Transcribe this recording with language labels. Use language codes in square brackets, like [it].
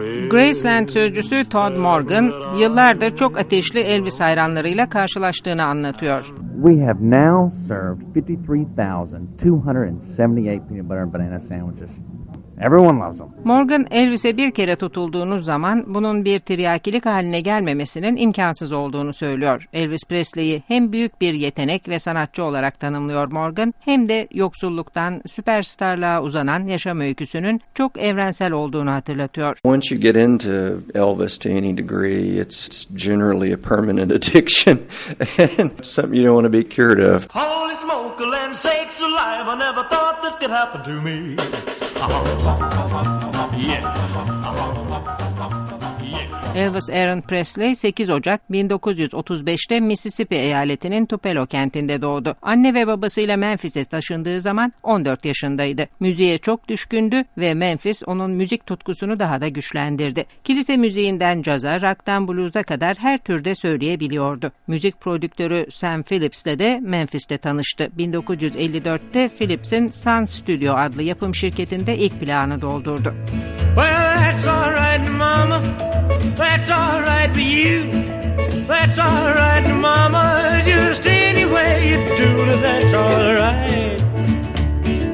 [tr] Graceland sözcüsü Todd Morgan, yıllardır çok ateşli Elvis hayranlarıyla karşılaştığını anlatıyor. [en] We have now served 53,278 peanut butter and banana sandwiches. Everyone loves them. [tr] Morgan, Elvis'e bir kere tutulduğunuz zaman bunun bir tiryakilik haline gelmemesinin imkansız olduğunu söylüyor. Elvis Presley'i hem büyük bir yetenek ve sanatçı olarak tanımlıyor Morgan, hem de yoksulluktan süperstarlığa uzanan yaşam öyküsünün çok evrensel olduğunu hatırlatıyor. [en] Once you get into Elvis to any degree, it's generally a permanent addiction and something you don't want to be cured of. Holy smoke, land sakes alive, I never thought this could happen to me. Yeah. Yeah. [tr] Elvis Aaron Presley 8 Ocak 1935'te Mississippi eyaletinin Tupelo kentinde doğdu. Anne ve babasıyla Memphis'e taşındığı zaman 14 yaşındaydı. Müziğe çok düşkündü ve Memphis onun müzik tutkusunu daha da güçlendirdi. Kilise müziğinden caza, rock'tan blues'a kadar her türde söyleyebiliyordu. Müzik prodüktörü Sam Phillips'le de Memphis'te tanıştı. 1954'te Phillips'in Sun Studio adlı yapım şirketinde ilk plağını doldurdu. [en] Well, that's all right, mama. That's all right for you. That's all right, mama. Just any way you do, that's all right.